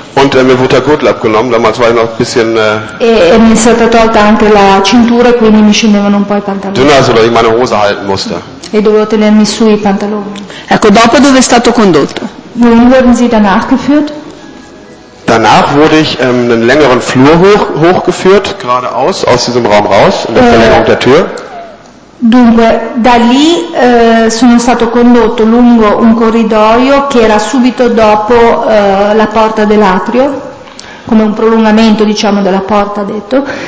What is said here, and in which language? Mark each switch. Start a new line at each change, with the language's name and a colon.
German: Und mir wurde der Gurtel abgenommen, damals war ich noch ein bisschen
Italian: mi è stata tolta anche la cintura, quindi mi scendevano un po' i pantaloni.
German: Dünner, also, dass ich meine Hose halten musste.
Italian: E dovevo tenermi su i pantaloni. Ecco, dopo dove è stato condotto?
German: Wohin wurden Sie danach geführt? Danach wurde ich einen längeren Flur hochgeführt, geradeaus, aus diesem Raum raus, in der Verlängerung der Tür.
Italian: Dunque, da lì sono stato condotto lungo un corridoio che era subito dopo la porta dell'atrio, come un prolungamento, diciamo, della porta, detto.